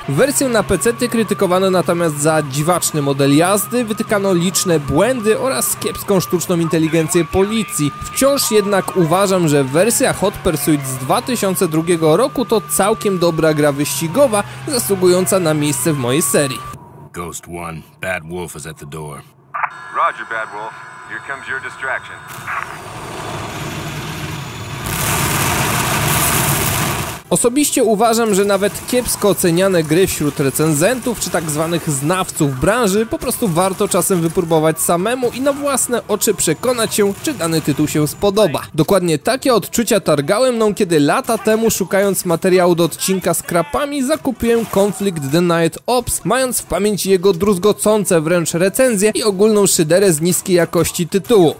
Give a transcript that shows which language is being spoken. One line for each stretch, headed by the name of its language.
Polish: Wersję na pecety krytykowano natomiast za dziwaczny model jazdy, wytykano liczne błędy oraz kiepską sztuczną inteligencję policji. Wciąż jednak uważam, że wersja Hot Pursuit z 2002 roku to całkiem dobra gra wyścigowa, zasługująca na miejsce w mojej serii.
English: Ghost One, Bad Wolf is at the door. Roger, Bad Wolf. Here comes your distraction. Ah!
Polish: Osobiście uważam, że nawet kiepsko oceniane gry wśród recenzentów czy tak zwanych znawców branży po prostu warto czasem wypróbować samemu i na własne oczy przekonać się, czy dany tytuł się spodoba. Dokładnie takie odczucia targały mną, kiedy lata temu, szukając materiału do odcinka z krapami, zakupiłem Conflict The Night Ops, mając w pamięci jego druzgocące wręcz recenzje i ogólną szyderę z niskiej jakości tytułu.